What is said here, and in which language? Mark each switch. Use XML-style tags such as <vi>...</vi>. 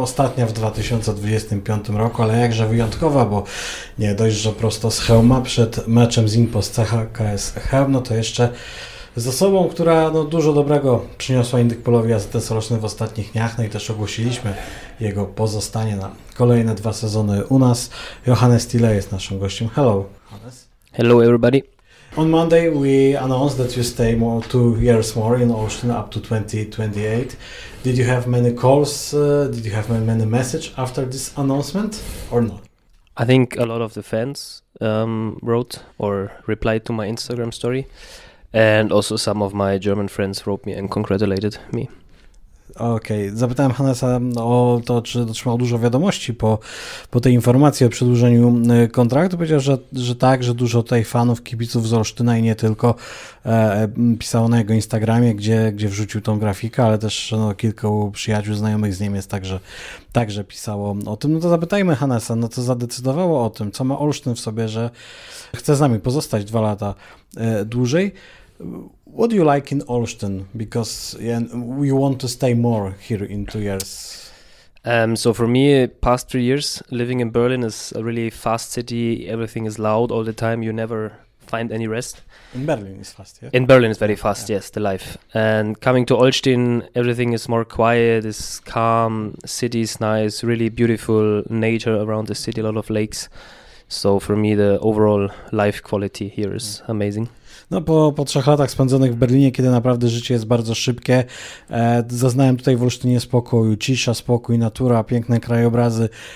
<pl>Ostatnia w 2025 roku, ale jakże wyjątkowa, bo nie dość, że prosto z Chełma przed meczem z Impos CHKS Chełm, no to jeszcze z osobą, która no, dużo dobrego przyniosła Indykpolowi Jazda Test roczny w ostatnich dniach, no i też ogłosiliśmy jego pozostanie na kolejne dwa sezony u nas. Johannes Thiele jest naszym gościem.</pl> <en>Hello, Johannes. Hello, everybody. On Monday, we announced that you stay more 2 years more in Austin, up to 2028. Did you have many calls? Did you have many messages after this announcement or not? I think a lot of the fans wrote or replied to my Instagram story. And also some of my German friends wrote me and congratulated me.</en> <pl>Okej, okay. Zapytałem Hannesa o to, czy otrzymał dużo wiadomości po tej informacji o przedłużeniu kontraktu. Powiedział, że tak, że dużo tutaj fanów, kibiców z Olsztyna i nie tylko pisało na jego Instagramie, gdzie wrzucił tą grafikę, ale też no, kilku przyjaciół, znajomych z Niemiec także pisało o tym. No to zapytajmy Hannesa, no to zadecydowało o tym, co ma Olsztyn w sobie, że chce z nami pozostać 2 lata dłużej.</pl> <en>What do you like in Olsztyn? Because we want to stay more here in 2 years. So for me, past 3 years living in Berlin is a really fast city. Everything is loud all the time. You never find any rest. In Berlin is fast, yeah? In Berlin is very fast, yeah. Yes, the life. And coming to Olsztyn, everything is more quiet, it's calm, city is nice, really beautiful nature around the city, a lot of lakes. So for me, the overall life quality here is amazing.</en> <pl>No po 3 latach spędzonych w Berlinie, kiedy naprawdę życie jest bardzo szybkie, zaznałem tutaj w Olsztynie spokoju, cisza, spokój, natura, piękne krajobrazy.</pl>